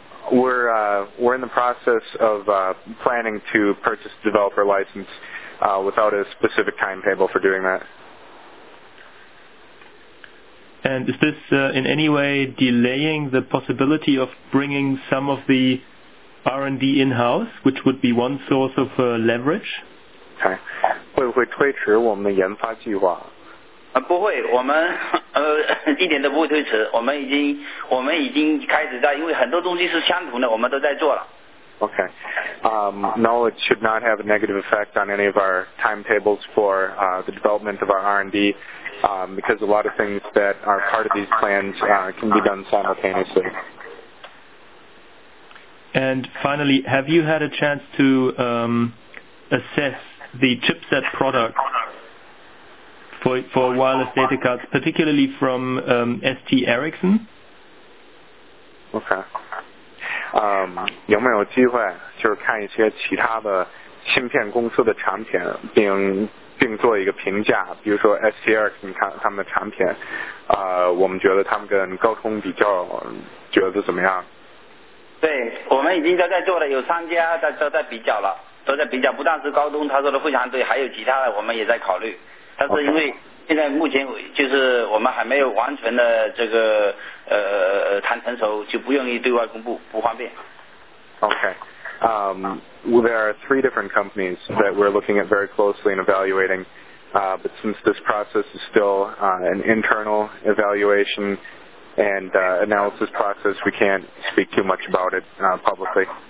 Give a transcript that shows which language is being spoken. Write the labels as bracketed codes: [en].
[en] We're in the process of planning to purchase developer license without a specific timetable for doing that. And is this in any way delaying the possibility of bringing some of the R&D in-house, which would be one source of leverage? Okay. [zh] 会不会推迟我们的研发计划？不会，我们一点都不会推迟，我们已经开始在，因为很多东西是相同的，我们都在做了。 [en] Okay. Knowledge should not have a negative effect on any of our timetables for the development of our R&D, because a lot of things that are part of these plans can be done simultaneously. And finally, have you had a chance to assess the chipset product for wireless data cards, particularly from ST Ericsson? Okay. [zh] 有没有机会就是看一些其他的芯片公司的产品，并做一个评价，比如说 ST Ericsson 他们的产品，我们觉得他们跟高通比较，觉得怎么样？对，我们已经在做了，有三家都在比较了，都在比较，不但是高通，他说的富强队，还有其他的，我们也在考虑。但是因为现在目前就是我们还没有完全的这个谈成熟，就不愿意对外公布，不方便。 [en] Okay. Well, there are three different companies that we're looking at very closely and evaluating. But since this process is still an internal evaluation and analysis process, we can't speak too much about it publicly.